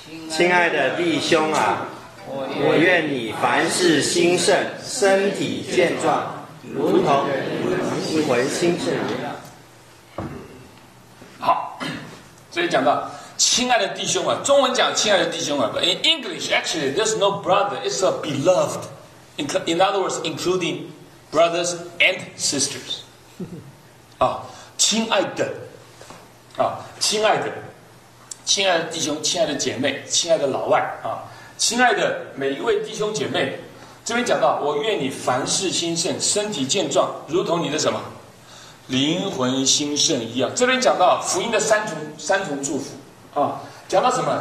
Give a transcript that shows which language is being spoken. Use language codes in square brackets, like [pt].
[zh] 亲爱的弟兄啊，我愿你凡事兴盛，身体健壮，如同灵魂兴盛一样。好，所以讲到亲爱的弟兄啊，中文讲亲爱的弟兄啊， [en] but in English actually there's no brother, it's a beloved. In other words, including brothers and sisters. [zh] 啊，亲爱的，啊，亲爱的，亲爱的弟兄，亲爱的姐妹，亲爱的老外啊。亲爱的每一位弟兄姐妹，这边讲到，我愿你凡事兴盛，身体健壮，如同你的什么灵魂兴盛一样。这边讲到福音的三重祝福啊，讲到什么？